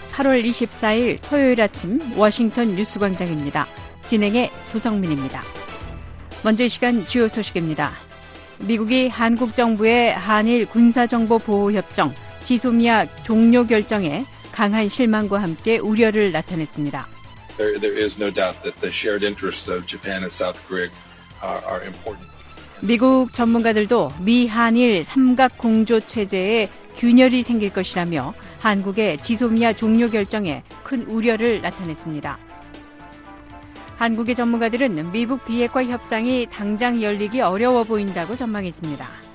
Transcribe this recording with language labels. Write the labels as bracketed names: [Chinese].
[Korean] 8월 24일 토요일 아침 워싱턴 뉴스 광장입니다. 진행의 도성민입니다. 먼저 이 시간 주요 소식입니다. 미국이 한국 정부의 한일 군사정보보호협정 지소미아 종료 결정에 강한 실망과 함께 우려를 나타냈습니다. [English] There is no doubt that the shared interests of Japan and South Korea are important. [Korean] 미국 전문가들도 미한일 삼각공조 체제에 균열이 생길 것이라며 한국의 지소미아 종료 결정에 큰 우려를 나타냈습니다. 한국의 전문가들은 미국 비핵화 협상이 당장 열리기 어려워 보인다고 전망했습니다.